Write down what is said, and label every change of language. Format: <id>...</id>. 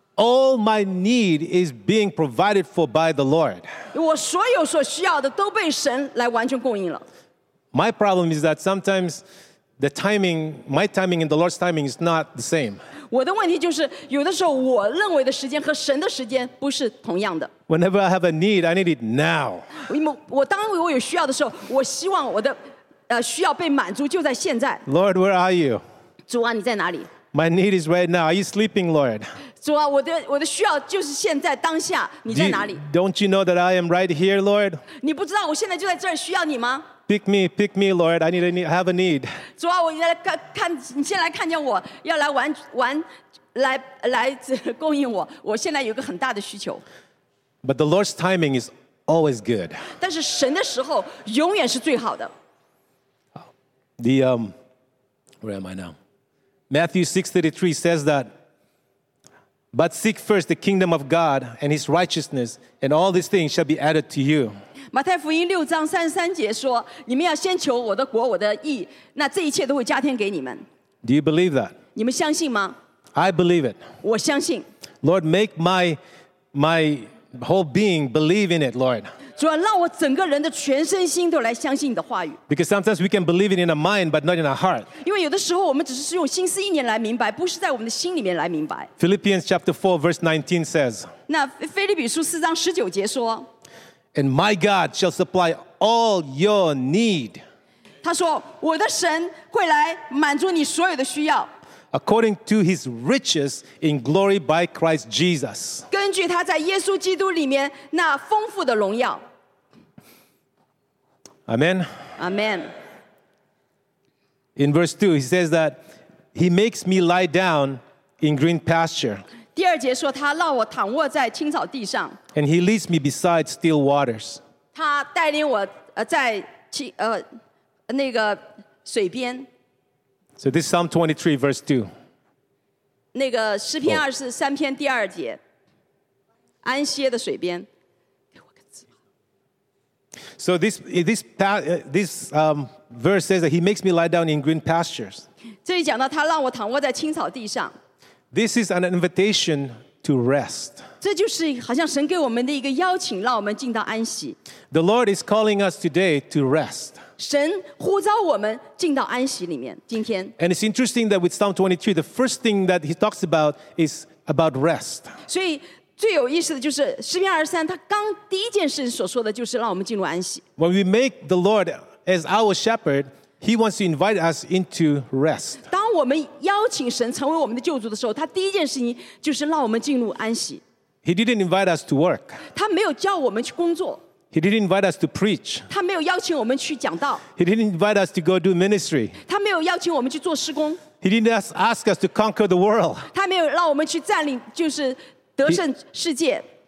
<en>All my need is being provided for by the Lord.</en> <zh>我所有所需要的都被神来完全供应了。</zh> <en>My problem is that sometimes the timing, my timing and the Lord's timing is not the same.</en> <zh>我的问题就是，有的时候我认为的时间和神的时间不是同样的。</zh> <en>Whenever I have a need, I need it now.</en> <zh>我当我有需要的时候，我希望我的需要被满足就在现在。</zh> <en>Lord, where are you?</en> <zh>主啊，你在哪里？</zh> <en>My need is right now. Are you sleeping, Lord?</en> <zh>主啊，我的需要就是现在当下。你在哪里</zh> <en>？Don't you know that I am right here, Lord?</en> <zh>你不知道我现在就在这儿需要你吗</zh> <en>？Pick me, Lord. I have a need.</en> <zh>主啊，我来看，你先来看见我要来玩，来供应我。我现在有个很大的需求。</zh> <en>But the Lord's timing is always good.</en> <zh>但是神的时候永远是最好的。</zh> <en>The where am I now? Matthew 6:33 says that. But seek first the kingdom of God and His righteousness, and all these things shall be added to you.</en> <zh>马太福音六章三十三节说：“你们要先求我的国、我的义，那这一切都会加添给你们。”</zh> <en>Do you believe that?</en> <zh>你们相信吗</zh> <en>？I believe it.</en> <zh>我相信。</zh> <en>Lord, make my whole being believe in it, Lord.</en> <zh>主啊，让我整个人的全身心都来相信你的话语。</zh> <en>Because sometimes we can believe it in our mind, but not in our heart.</en> <zh>因为有的时候我们只是用心思意念来明白，不是在我们的心里面来明白。</zh> <en>Philippians chapter 4 verse 19 says.</en> <zh>那腓立比书四章十九节说。</zh> <en>And my God shall supply all your need.</en> <zh>他说，我的神会来满足你所有的需要。</zh> <en>According to his riches in glory by Christ Jesus.</en> <zh>根据他在耶稣基督里面那丰富的荣耀。</zh> <en>Amen. Amen. In verse 2, he says that he makes me lie down in green pasture.</en> <zh>第二节说他让我躺卧在青草地上。</zh> <en>And he leads me beside still waters.</en> <zh>他带领我在那个水边。</zh> <en>So this is Psalm 23, verse 2.</en> <zh>那个诗篇二十三篇第二节，安歇的水边。</zh> <en>So this verse says that he makes me lie down in green pastures.</en> <zh>这里讲到他让我躺卧在青草地上。</zh> <en>This is an invitation to rest.</en> <zh>这就是好像神给我们的一个邀请，让我们进到安息。</zh> <en>The Lord is calling us today to rest.</en> <zh>神呼召我们进到安息里面，今天。</zh> <en>And it's interesting that with Psalm 23, the first thing that he talks about is about rest.</en> <zh>所以最有意思的就是诗篇二十三，他刚第一件事所说的就是让我们进入安息。</zh> <en>When we make the Lord as our shepherd, he wants to invite us into rest.</en> <zh>当我们邀请神成为我们的救主的时候，他第一件事情就是让我们进入安息。</zh> <en>He didn't invite us to work.</en> <zh>他没有叫我们去工作。</zh> <en>He didn't invite us to preach.</en> <zh>他没有邀请我们去讲道。</zh> <en>He didn't invite us to go do ministry.</en> <zh>他没有邀请我们去做事工。</zh> <en>He didn't ask us to conquer the world.</en> <zh>他没有让我们去占领，就是得胜世界。</zh>